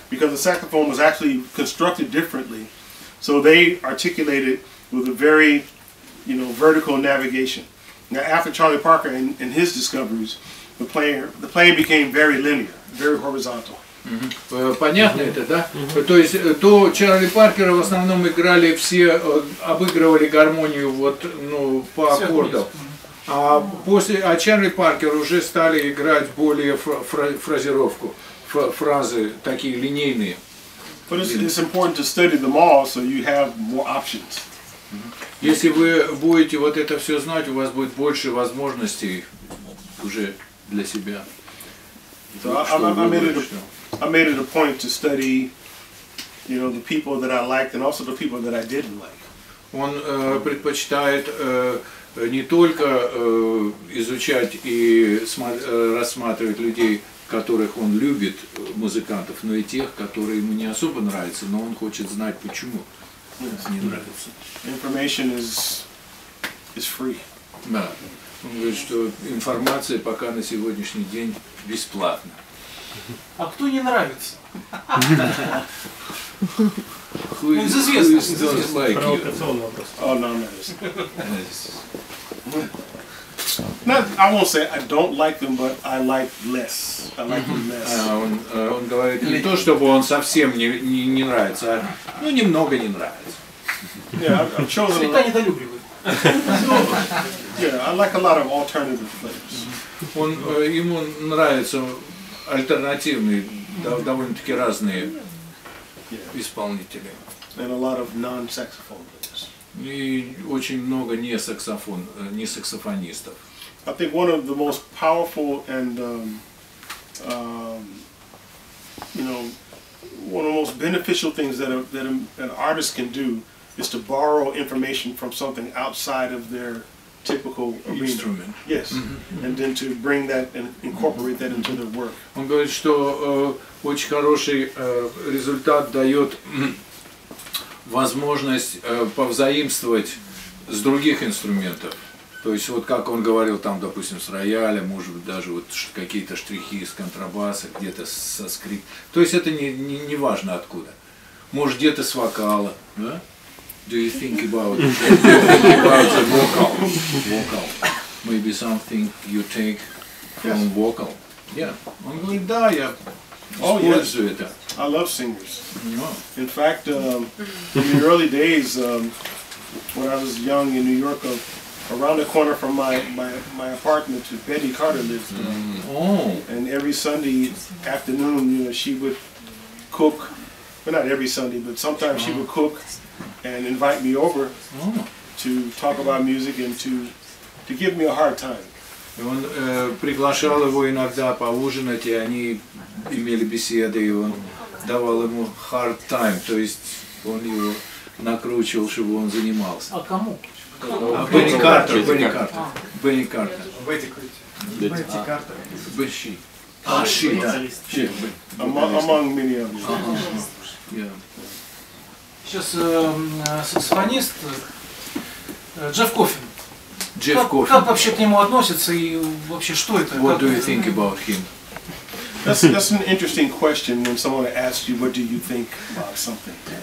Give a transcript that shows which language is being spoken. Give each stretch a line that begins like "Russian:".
English: because the saxophone was actually constructed differently. So they articulated with a very, you know, vertical navigation. Now, after Charlie Parker and his discoveries, the playing became very linear, very horizontal. Mm-hmm.
Russian: Понятно это, да? То есть то Чарли Паркера в основном играли все, обыгрывали гармонию вот, ну, по аккордам. А после, а Чарли Паркер уже стали играть более фразировку, фразы такие линейные.
English: But it's important to study them all so you have more options.
Russian: Если вы будете вот это все знать, у вас будет больше возможностей уже для себя.
English: I made it a point to study, you know, the people that I liked and also the people that I didn't like.
Russian: Он предпочитает не только изучать и рассматривать людей, которых он любит, музыкантов, но и тех, которые ему не особо нравятся, но он хочет знать, почему не нравятся.
English: Information is free.
Russian: Да. Он говорит, что информация пока на сегодняшний день бесплатна. А кто не нравится? Ну, из известных. Провокационный вопрос.
English: О, no, no. I won't say I don't like them, but I like less.
Russian: Он говорит не то, чтобы он совсем не нравится, а ну немного не нравится.
English: Yeah, I've
Russian: чего недолюбливает.
English: Yeah, I like a lot of alternative players.
Russian: Он ему нравятся альтернативные, довольно-таки разные исполнители.
English: And a lot of non-saxophone players.
Russian: И очень много не саксофон, не саксофонистов.
English: I think one of the most powerful and you know, one of the most beneficial things that an artist can do is to borrow information from something outside of their typical instrument. Arena. Yes. Mm-hmm. And then to bring that and incorporate that into their work.
Russian: Он говорит, что очень хороший результат дает возможность повзаимствовать с других инструментов. То есть вот как он говорил там, допустим, с роялем, может быть, даже вот какие-то штрихи из контрабаса, где-то со скрип. То есть это не важно откуда. Может где-то с вокала, да?
English: Do you think about the vocal? Vocal. Maybe something you take from vocal.
Russian: Yeah. Он говорит, да, я использую это.
English: I love singers. In fact, in the early days, when I was young in New York, around the corner from my apartment, Betty Carter lived there. And every Sunday afternoon, you know, she would cook. Well, not every Sunday, but sometimes she would cook and invite me over to talk about music and to give me a hard time.
Russian: И он приглашал его иногда поужинать, и они имели беседы, и он давал ему
English: hard time,
Russian: то есть он его накручивал, чтобы он занимался. А кому? Бенни Картер. Бенни Картер. Бенни Картер. Бетти Картер. Бетти Картер. Бетти. А, Ши, да. Ши.
English: Among many others.
Russian: Сейчас саксофонист Джефф Коффин. Джефф Коффин. Как вообще к нему относится и вообще что это?
English: What do you think about him? That's an interesting question when someone asks you what do you think about something.